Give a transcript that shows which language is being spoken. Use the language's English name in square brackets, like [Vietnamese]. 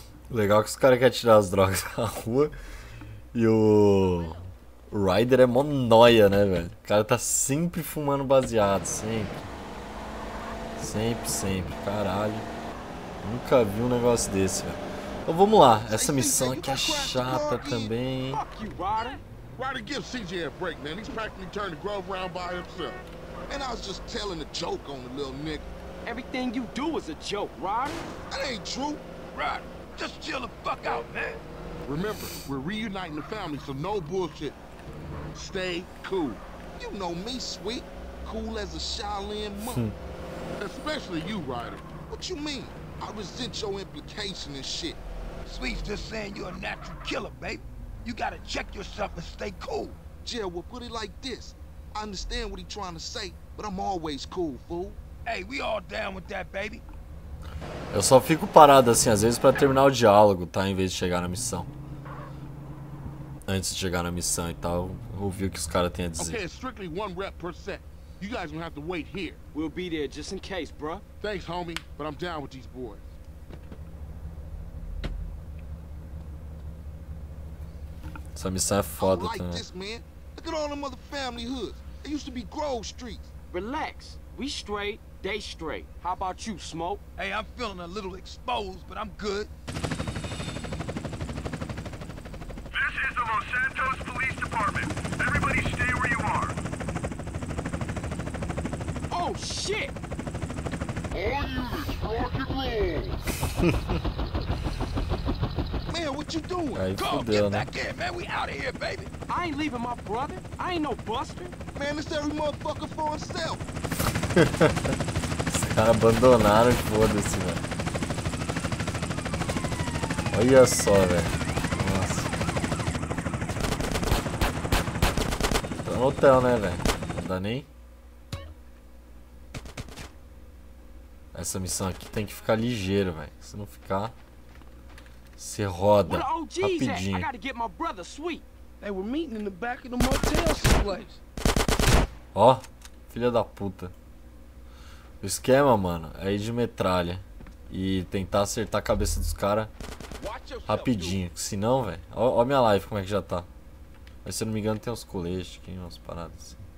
[Portuguese] Legal que os caras querem tirar as drogas da rua. E o Ryder é mó noia, né, velho? O cara tá sempre fumando baseado, sempre. Sempre, sempre. Caralho. Nunca vi um negócio desse, velho. Então vamos lá, essa missão aqui é chata também. [English] Ryder, give CJ a break, man. He's practically turned the Grove around by himself. And I was just telling a joke on the little nigga. Everything you do is a joke, Ryder. That ain't true. Ryder, just chill the fuck out, man. Remember, we're reuniting the family, so no bullshit. Stay cool. You know me, Sweet. Cool as a Shaolin monk. Especially you, Ryder. What you mean? I resent your implication and shit. Sweet's just saying you're a natural killer, babe. You gotta check yourself and stay cool. Jill, we'll put it like this. I understand what he's trying to say, but I'm always cool, fool. Hey, we all down with that, baby. [Portuguese] Eu só fico parado assim, às vezes, pra terminar o diálogo, tá? Em vez de chegar na missão. Antes de chegar na missão e tal, ouvir o que os caras têm a dizer. [English] Okay, it's strictly one rep per set. You guys gonna have to wait here. We'll be there just in case, bruh. Thanks, homie, but I'm down with these boys. [Portuguese] Essa missão é foda, [English] like this, man. Look at all them other family hoods. It used to be Grove Street. Relax. We straight, they straight. How about you, Smoke? Hey, I'm feeling a little exposed, but I'm good. This is the Los Santos Police Department. Everybody stay where you are. Oh, shit! All units, rock and roll! What you doing? [Portuguese] Aí, [English] come [Portuguese] fudeu, [English] Back in, man. We out of here, baby. I ain't leaving my brother. I ain't no buster. Man, it's every motherfucker for himself. [Portuguese] Os caras abandonaram, foda-se, velho. Olha só, velho. Nossa. Tô no hotel, né, velho? Não dá nem. Essa missão aqui tem que ficar ligeiro, velho. Se não ficar. Se roda rapidinho. [English] I gotta get my brother Sweet. They were meeting in the back of the motel someplace. [Portuguese] Ó, filha da puta. O esquema, mano, é ir de metralha e tentar acertar a cabeça dos caras rapidinho. Se não, velho. Ó, ó minha live como é que já tá. Mas se eu não me engano, tem uns coletes aqui, umas paradas assim.